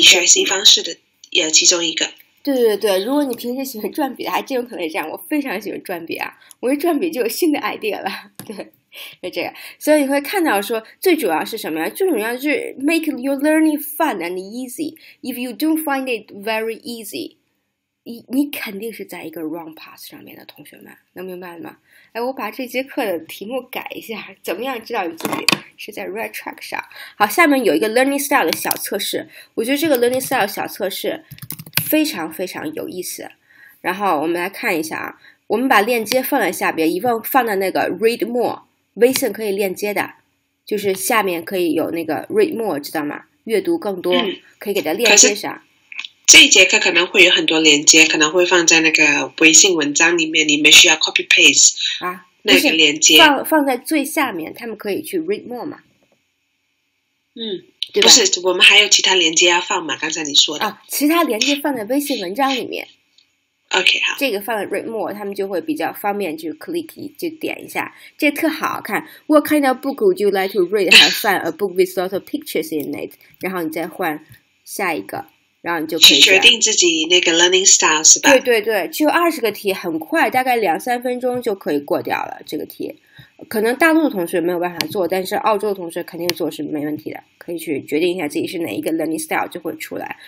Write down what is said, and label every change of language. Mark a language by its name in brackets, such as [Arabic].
[Chinese] 转笔。你学习方式的其中一个。对对对，如果你平时喜欢转笔的，还真有可能这样。我非常喜欢转笔啊，我一转笔就有新的 idea 了。对。就这个，所以你会看到说最主要是什么呀，最主要是 [English] make your learning fun and easy. If you don't find it very easy, [Chinese] 你肯定是在一个 wrong path 上面的，同学们能明白吗？哎，我把这节课的题目改一下，怎么样知道你自己是在 right track 上。好，下面有一个 learning style 的小测试，我觉得这个 learning style 小测试非常非常有意思。然后我们来看一下啊，我们把链接放在下边，一放放在那个 read more， 微信可以链接的，就是下面可以有那个 read more， 知道吗？阅读更多，嗯、可以给它链接上。这一节课可能会有很多链接，可能会放在那个微信文章里面，你们需要 copy paste 啊那个链接，放在最下面，他们可以去 read more 嘛。嗯，不是，我们还有其他连接要放嘛？刚才你说的、哦、其他连接放在微信文章里面。 OK， 好，这个放在 read more， 他们就会比较方便，就 click 就点一下，这个、特好看。 [English] What kind of book would you like to read? Have fun. A book with lots of pictures in it. [Chinese] 然后你再换下一个，然后你就可以决定自己那个 learning style 是吧？对对对，就20个题，很快，大概两三分钟就可以过掉了这个题。可能大陆的同学没有办法做，但是澳洲的同学肯定做是没问题的，可以去决定一下自己是哪一个 learning style 就会出来。